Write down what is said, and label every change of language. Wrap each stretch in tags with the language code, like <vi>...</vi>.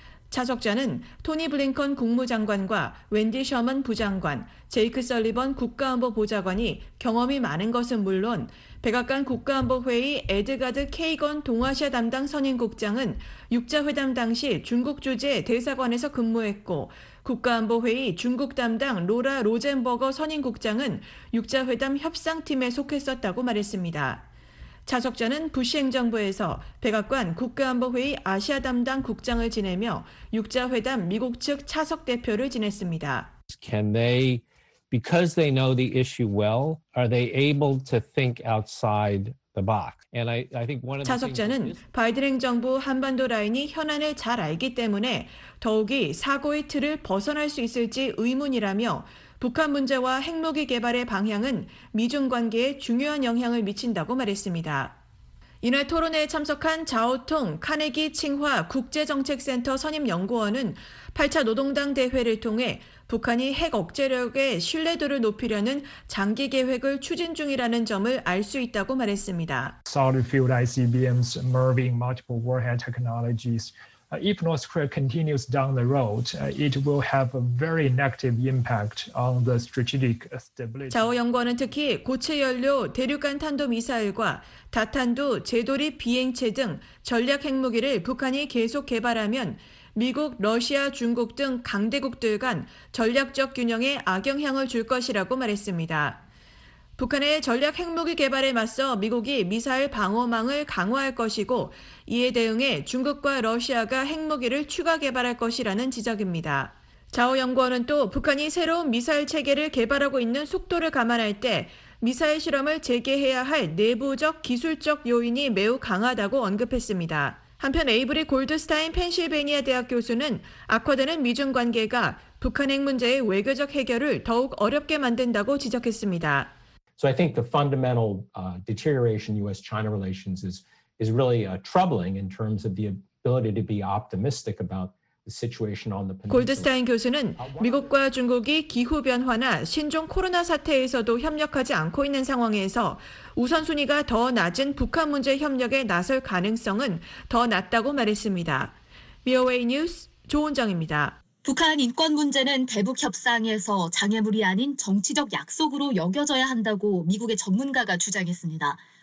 <ko>차 석좌는 토니 블링컨 국무장관과 웬디 셔먼 부장관, 제이크 설리번 국가안보 보좌관이 경험이 많은 것은 물론 백악관 국가안보회의 에드가드 케이건 동아시아 담당 선임국장은 6자회담 당시 중국 주재 대사관에서 근무했고 국가안보회의 중국 담당 로라 로젠버거 선임국장은 6자회담 협상팀에 속했었다고 말했습니다. 차 석좌는 부시 행정부에서 백악관 국가안보회의 아시아 담당 국장을 지내며 6자회담 미국 측 차석 대표를 지냈습니다.</ko> <en>Can they, because they know the issue well, are they able to think outside the box? And I think one of the</en> <ko>차 석좌는 바이든 행정부 한반도 라인이 현안을 잘 알기 때문에 더욱이 사고의 틀을 벗어날 수 있을지 의문이라며 북한 문제와 핵무기 개발의 방향은 미중 관계에 중요한 영향을 미친다고 말했습니다. 이날 토론회에 참석한 자오통 카네기 칭화 국제정책센터 선임연구원은 8차 노동당 대회를 통해 북한이 핵 억제력의 신뢰도를 높이려는 장기 계획을 추진 중이라는 점을 알 수 있다고 말했습니다.</ko> <en>Solid fueled ICBMs merging multiple warhead technologies. If North Korea continues down the road, it will have a very negative impact on the strategic stability.</en> <ko>자오 연구원은 특히 고체 연료 대륙간 탄도 미사일과 다탄두 재돌입 비행체 등 전략 핵무기를 북한이 계속 개발하면 미국, 러시아, 중국 등 강대국들 간 전략적 균형에 악영향을 줄 것이라고 말했습니다. 북한의 전략 핵무기 개발에 맞서 미국이 미사일 방어망을 강화할 것이고 이에 대응해 중국과 러시아가 핵무기를 추가 개발할 것이라는 지적입니다. 자오 연구원은 또 북한이 새로운 미사일 체계를 개발하고 있는 속도를 감안할 때 미사일 실험을 재개해야 할 내부적 기술적 요인이 매우 강하다고 언급했습니다. 한편 에이브리 골드스타인 펜실베니아 대학 교수는 악화되는 미중 관계가 북한 핵 문제의 외교적 해결을 더욱 어렵게 만든다고 지적했습니다.</ko> <en>So I think the fundamental deterioration U.S.-China relations is really troubling in terms of the ability to be optimistic about the situation on the peninsula.</en> <ko>골드스타인 교수는 미국과 중국이 기후 변화나 신종 코로나 사태에서도 협력하지 않고 있는 상황에서 우선순위가 더 낮은 북한 문제 협력에 나설 가능성은 더 낮다고 말했습니다. VOA 뉴스 조은정입니다. 북한 인권 문제는 대북 협상에서 장애물이 아닌 정치적 약속으로 여겨져야 한다고 미국의 전문가가 주장했습니다.</ko>